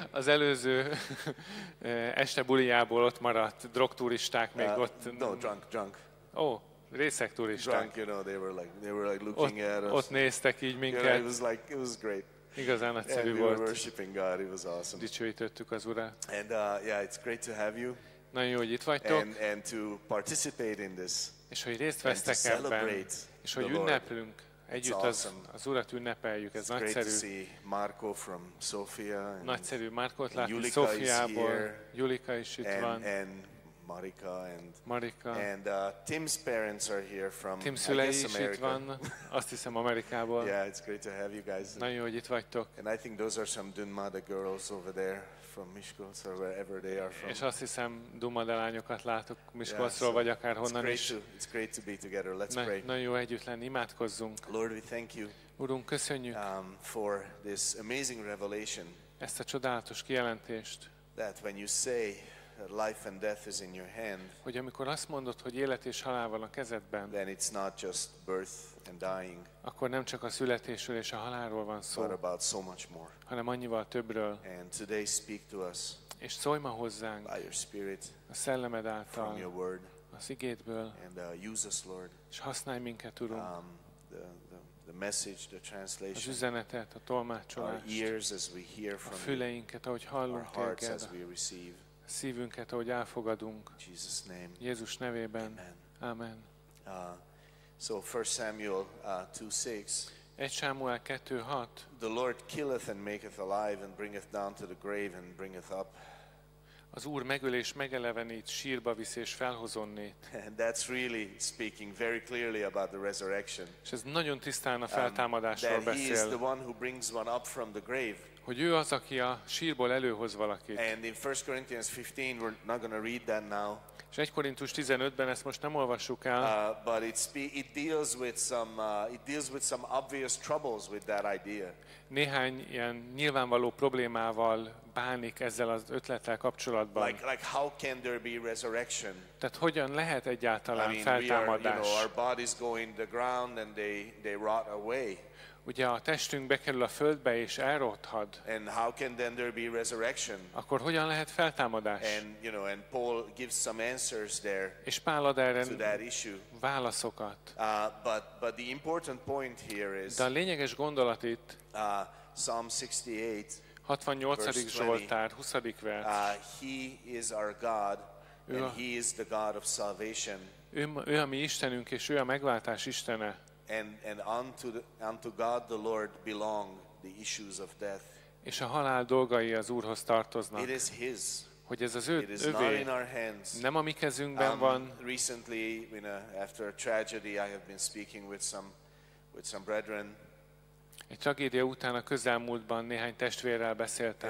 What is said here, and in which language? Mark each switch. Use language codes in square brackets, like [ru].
[hu] Az előző este bulijából ott maradt drog turisták még ott. [en] No, drunk. [hu] Oh, részeg turisták. [en] Drunk, you know, they were like looking at us. [hu] Ott néztek így minket. [en] You know, it was great. [hu] Igazán nagyszerű volt. [en] And we were worshiping God, it was awesome. [hu] Dicsőítettük az Urát. [en] And it's great to have you. [hu] Nagyon jó, hogy itt vagytok. [en] And to participate in this. [hu] És hogy részt vesztek ebben. És hogy ünneplünk. Együtt az Urat ünnepeljük, ez nagyszerű. [en] Marco from Sofia. [hu] Nagyszerű Markot látni Szófiából. Julika is itt van. [en] And Marika. And Tim's parents are here from, [hu] Tim szülei is itt van, azt hiszem Amerikából. [en] Yeah, it's great to have you guys. [hu] Nagyon jó, hogy itt vagytok. [en] And I think those are some Dunmada girls over there from Miskolc or wherever they are from. [hu] És azt hiszem Dunmada lányokat látok Miskolcról, vagy akár honnan is. [en] It's great to be together. Let's pray. [hu] Nagyon jó együtt lenni, imádkozzunk. [en] Lord, we thank you. [hu] Urunk, köszönjük. [en] For this amazing revelation. [hu] Ezt a csodálatos kijelentést. [en] That when you say that life and death is in your hand. [hu] Hogy amikor azt mondod, hogy élet és halál van a kezedben. [en] Then it's not just birth and dying. [hu] Akkor nem csak a születésről és a halálról van szó. [en] But about so much more. [hu] Hanem annyival többről. [en] And today speak to us. [hu] És szólj ma hozzánk. [en] By your spirit. [hu] A szellemed által. [en] From your word. [hu] Az igédből. [en] And use us, Lord. [hu] És használj minket, Urunk. [en] The message, the translation. [hu] Az üzenetet, a tolmácsolást. [en] Our ears as we hear from you. [hu] A füleinket, ahogy hallunk téged. [en] Our hearts as we receive. [hu] Szívünket, ahogy elfogadunk. [en] Jesus name. [hu] Jézus nevében. [en] Amen. [hu] Amen. [en] So 1 Samuel 2:6. [hu] 1 Sámuel 2:6. [en] The Lord killeth and maketh alive and bringeth down to the grave and bringeth up. [hu] Az Úr megöl és megelevenít, sírba visz és felhozonnét. [en] And that's really speaking very clearly about the resurrection. [hu] És ez nagyon tisztán a feltámadásról beszél. [en] That he is the one who brings one up from the grave. [hu] Hogy ő az, aki a sírból előhoz valakit. [en] And in 1 Corinthians 15, we're not going to read that now. [hu] És 1 Korintus 15-ben ezt most nem olvassuk el. [en] But it deals with some obvious troubles with that idea. [hu] Néhány ilyen nyilvánvaló problémával bánik ezzel az ötlettel kapcsolatban. [en] Like how can there be resurrection? [hu] Tehát hogyan lehet egyáltalán feltámadás? [en] You know, our bodies go in the ground and they rot away. [hu] Ugye a testünk bekerül a földbe és elrothad. [en] And how can then there be resurrection? [hu] Akkor hogyan lehet feltámadás? [en] And you know, and Paul gives some answers there. [hu] És Pál ad erre válaszokat. [en] But the important point here is. [hu] De a lényeges gondolat itt. [en] Psalm 68. [hu] 68. Zsoltár, 20. vers. [en] He is our God, and he is the God of salvation. [hu] Ő a mi Istenünk és ő a megváltás Istene. [en] And unto God the Lord belong the issues of death. [hu] És a halál dolgai az Úrhoz tartoznak. [en] It is his. [hu] Hogy ez az ő, [en] it is övé. Not in our hands. [hu] Nem a mi kezünkben van. [en] Recently, after a tragedy, I have been speaking with some brethren. [hu] Egy tragédia után a közelmúltban néhány testvérrel beszéltem.